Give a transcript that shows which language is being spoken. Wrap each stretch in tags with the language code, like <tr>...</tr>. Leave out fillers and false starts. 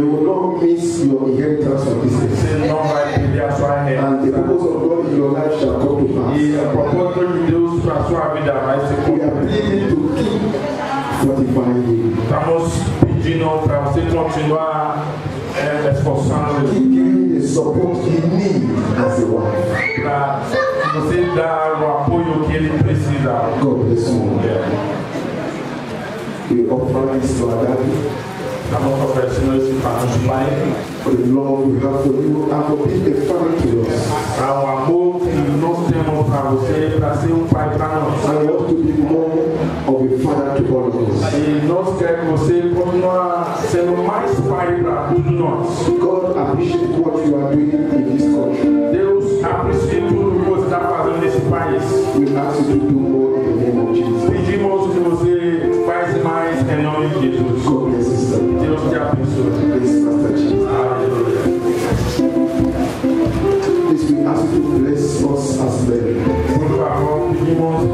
<en>You will not miss your inheritance of this.</en> <pt>Você não vai perder a sua herança.</pt> <en>And the purpose of God in your life shall come to pass.</en> <pt>E a propósito de Deus para a sua vida vai se cumprir. Estamos pedindo para você continuar esforçando.</pt> <en>Keep giving the support he needs as a wife.</en> <pt>Você dá o apoio que ele precisa.</pt> <en>God bless you. Yeah. You offer this to Adani. For the love we have for you, and for being a father to us.</en> <pt>Our amor que nós temos para você, para ser pai para nós.</pt> <en>And we want to be more of a father to all of us.</en> <pt>E nós queremos você continuar sendo mais pai para todos nós.</pt> <en>God appreciates what you are doing in this country.</en> <pt>Deus aprecia tudo que você está fazendo nesse país.</pt> <en>We ask you to do more in the name of Jesus.</en> <pt>Pedimos que você faça mais em nome de Jesus.</pt> <en>God bless you. Please, we ask you to bless us as well.</en>